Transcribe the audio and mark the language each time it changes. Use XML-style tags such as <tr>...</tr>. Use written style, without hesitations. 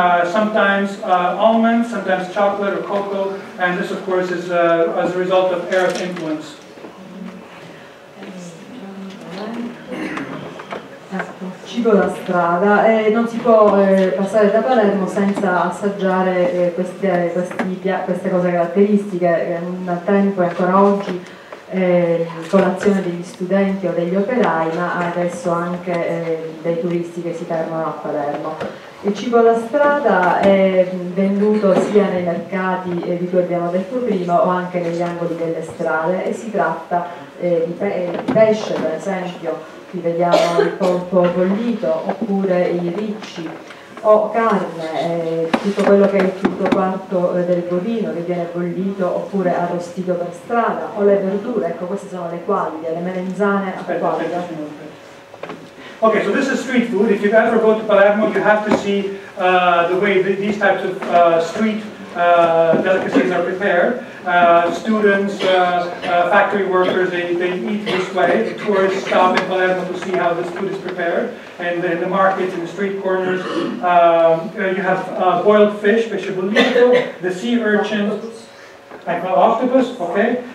<en>Sometimes almonds, sometimes chocolate or cocoa, and this of course is as a result of Arab influence.</en> <it>Cibo da strada, e non si può passare da Palermo senza assaggiare queste cose caratteristiche. Un tempo e ancora oggi colazione degli studenti o degli operai, ma adesso anche dei turisti che si fermano a Palermo. Il cibo da strada è venduto sia nei mercati di cui abbiamo detto prima o anche negli angoli delle strade, e si tratta di pesce, per esempio. Qui vediamo il polpo bollito, oppure i ricci, o carne, tutto quello che è il tutto quarto del bovino che viene bollito, oppure arrostito per strada, o le verdure, ecco, queste sono le quaglie, le melanzane a quaglia.</it> <en>Ok, so this is street food. If you ever go to Palermo, you have to see the way these types of street delicacies are prepared. Students, factory workers, they eat this way. The tourists stop in Palermo to see how this food is prepared. And in the markets, in the street corners, you have boiled fish, pescebollito, the sea urchin, octopus, okay?</en>